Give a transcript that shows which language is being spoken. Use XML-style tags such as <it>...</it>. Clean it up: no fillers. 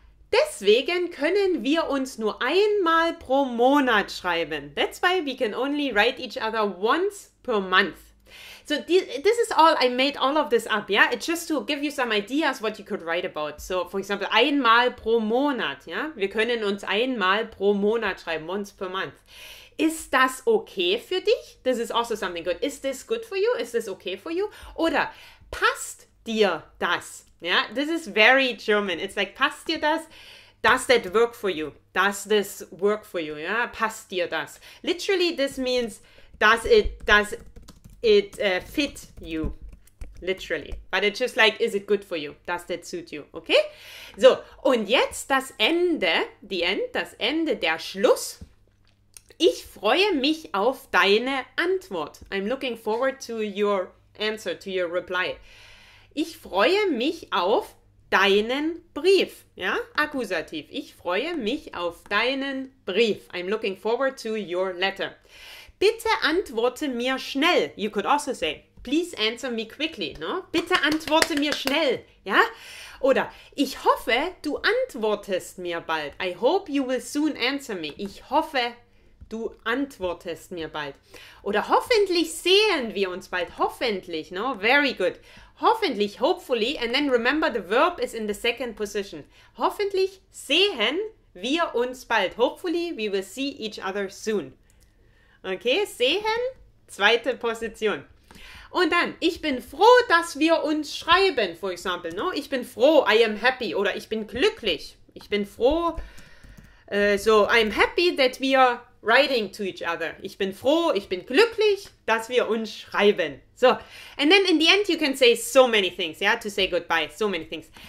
<de>Deswegen können wir uns nur einmal pro Monat schreiben.</de> <en>That's why we can only write each other once per month. So this is all, I made all of this up, yeah? It's just to give you some ideas what you could write about. So, for example,</en> <de>einmal pro Monat,</de> <en>yeah?</en> <de>Wir können uns einmal pro Monat schreiben,</de> <en>once per month.</en> <de>Ist das okay für dich?</de> <en>This is also something good. Is this good for you? Is this okay for you?</en> <de>Oder passt dir das?</de> <en>Yeah, this is very German. It's like,</en> <de>passt dir das?</de> <en>Does that work for you? Does this work for you?</en> <de>Yeah, passt dir das?</de> <en>Literally, this means, does it fit you, literally. But it's just like, is it good for you? Does that suit you? Okay?</en> <de>So, und jetzt das Ende, das Ende, der Schluss. Ich freue mich auf deine Antwort.</de> <en>I'm looking forward to your answer, to your reply.</en> <de>Ich freue mich auf deinen Brief. Ja, Akkusativ. Ich freue mich auf deinen Brief.</de> <en>I'm looking forward to your letter.</en> <de>Bitte antworte mir schnell.</de> <en>You could also say, please answer me quickly.</en> <de>No? Bitte antworte mir schnell. Ja? Oder ich hoffe, du antwortest mir bald.</de> <en>I hope you will soon answer me.</en> <de>Ich hoffe, du antwortest mir bald. Oder hoffentlich sehen wir uns bald. Hoffentlich.</de> <en>No? Very good.</en> <de>Hoffentlich,</de> <en>hopefully. And then remember, the verb is in the second position.</en> <de>Hoffentlich sehen wir uns bald.</de> <en>Hopefully, we will see each other soon.</en> <de>Okay, sehen, zweite Position. Und dann, ich bin froh, dass wir uns schreiben,</de> <en>for example, no?</en> <de>Ich bin froh,</de> <en>I am happy,</en> <de>oder ich bin glücklich. Ich bin froh,</de> <en>I'm happy that we are writing to each other.</en> <de>Ich bin froh, ich bin glücklich, dass wir uns schreiben.</de> <en>So, and then in the end you can say so many things, yeah, to say goodbye, so many things.</en>